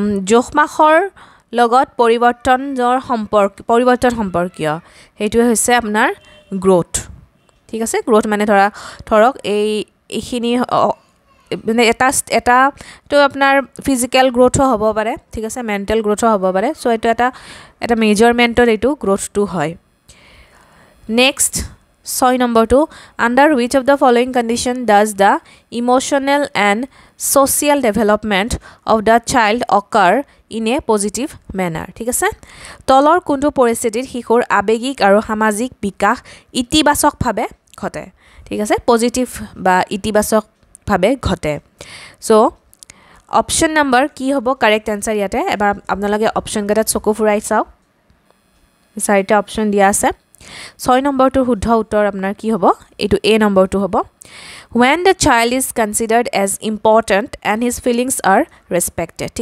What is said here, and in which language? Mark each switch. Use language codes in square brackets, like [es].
[as] জোখমাখৰ লগত পৰিৱৰ্তনৰ পৰিৱৰ্তন সম্পৰ্কীয় সেইটোৱে হৈছে আপোনাৰ গ্ৰ'থ ঠিক আছে গ্ৰ'থ মানে ধৰক এইখিনি মানে এটাটো আপোনাৰ ফিজিকেল গ্ৰ'থো হ'ব পাৰে ঠিক আছে মেণ্টেল গ্ৰ'থো হ'ব পাৰে চ' এইটো এটা মেজাৰমেণ্টত এইটো গ্ৰ'থটো হয় নেক্সট ছয় নম্বৰটো [en] Under which of the following condition does the emotional and social development of the child occur in a positive manner. [as] ঠিক আছে তলৰ কোনটো পৰিস্থিতিত শিশুৰ আবেগিক আৰু সামাজিক বিকাশ ইতিবাচকভাৱে ঘটে ঠিক আছে পজিটিভ বা ইতিবাচকভাৱে ঘটে সো অপচন নম্বৰ কি হ'ব কৰেক্ট আনসার ইয়াতে এবাৰ আপোনালোকে অপচন গাটা চকু ফুৰাই চাওক চাৰিটা অপচন দিয়া আছে ছয় নম্বৰটো শুদ্ধ উত্তৰ আপোনাৰ কি হ'ব এইটো এ নম্বৰটো হ'ব [en] When the child is considered as important and his feelings are respected.